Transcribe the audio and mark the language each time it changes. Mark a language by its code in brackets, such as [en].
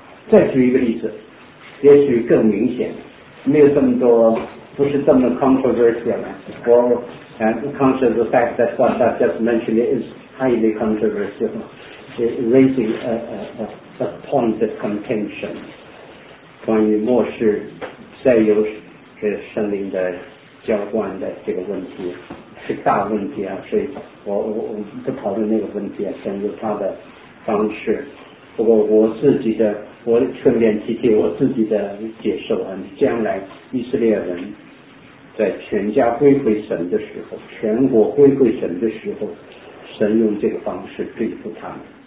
[zh] 再举一个例子，也许更明显，没有这么多，不是这么 controversial 了。 [en] Controversial, that what I've just mentioned is highly controversial. It's raising a point of contention. [zh] 关于末世再有这圣灵的浇灌的这个问题是大问题啊，所以我不讨论那个问题啊，但是它的方式。不过我自己的，我顺便提提我自己的解受啊，将来以色列人在全家归回神的时候，全国归回神的时候，神用这个方式对付他们。